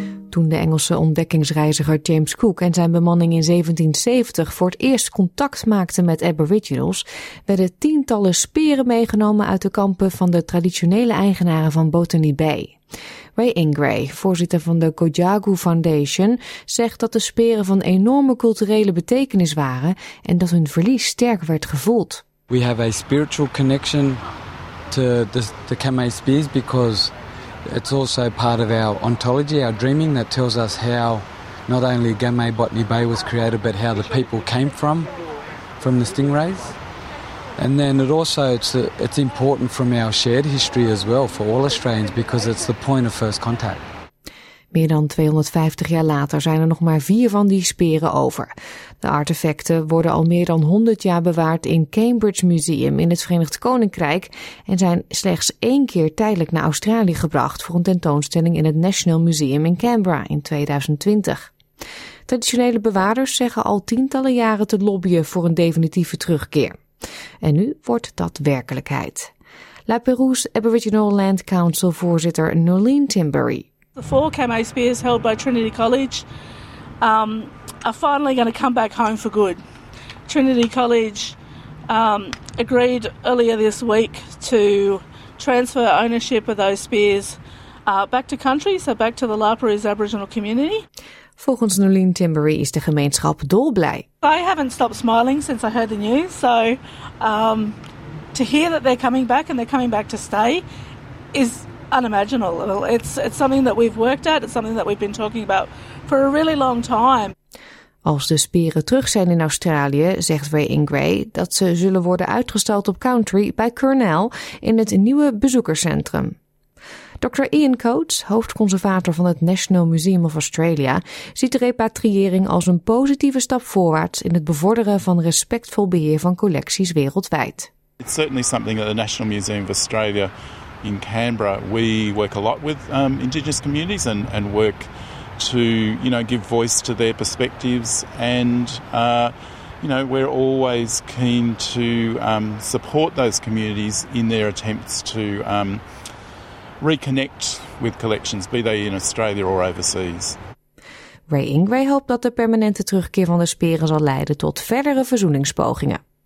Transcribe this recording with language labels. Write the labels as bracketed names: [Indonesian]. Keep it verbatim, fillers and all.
[Dutch] Toen de Engelse ontdekkingsreiziger James Cook en zijn bemanning in zeventien zeventig voor het eerst contact maakten met aboriginals, werden tientallen speren meegenomen uit de kampen van de traditionele eigenaren van Botany Bay. Ray Ingray, voorzitter van de Kojagu Foundation, zegt dat de speren van enorme culturele betekenis waren en dat hun verlies sterk werd gevoeld. [English] We have a spiritual connection to the, the Kamei spears because it's also part of our ontology, our dreaming, that tells us how not only Gamay Botany Bay was created, but how the people came from, from the stingrays. And then it also, it's, a, it's important from our shared history as well for all Australians because it's the point of first contact. [Dutch] Meer dan tweehonderdvijftig jaar later zijn er nog maar vier van die speren over. De artefacten worden al meer dan honderd jaar bewaard in Cambridge Museum in het Verenigd Koninkrijk en zijn slechts één keer tijdelijk naar Australië gebracht voor een tentoonstelling in het National Museum in Canberra in tweeduizend twintig. Traditionele bewaarders zeggen al tientallen jaren te lobbyen voor een definitieve terugkeer. En nu wordt dat werkelijkheid. La Perouse Aboriginal Land Council voorzitter Noreen Timbury. [English] The four Kamei spears held by Trinity College um, are finally going to come back home for good. Trinity College um, agreed earlier this week to transfer ownership of those spears uh, back to country, so back to the La Perouse Aboriginal community. [Dutch] Volgens Noreen Timbury is de gemeenschap dolblij. [English] I haven't stopped smiling since I heard the news, so um, to hear that they're coming back and they're coming back to stay is unimaginable. It's, it's something that we've worked at. It's something that we've been talking about for a really long time. [Dutch] Als de speren terug zijn in Australië, zegt Ray Ingray, dat ze zullen worden uitgestald op Country bij Kurnell in het nieuwe bezoekerscentrum. doctor Ian Coates, hoofdconservator van het National Museum of Australia, ziet de repatriëring als een positieve stap voorwaarts in het bevorderen van respectvol beheer van collecties wereldwijd. [English] It's certainly something that the National Museum of Australia in Canberra, we work a lot with um, Indigenous communities and, and work to, you know, give voice to their perspectives. And, uh, you know, we're always keen to um, support those communities in their attempts to um, reconnect with collections, be they in Australia or overseas. [Dutch] Ray Ingray hoopt dat de permanente terugkeer van de speren zal leiden tot verdere verzoeningspogingen.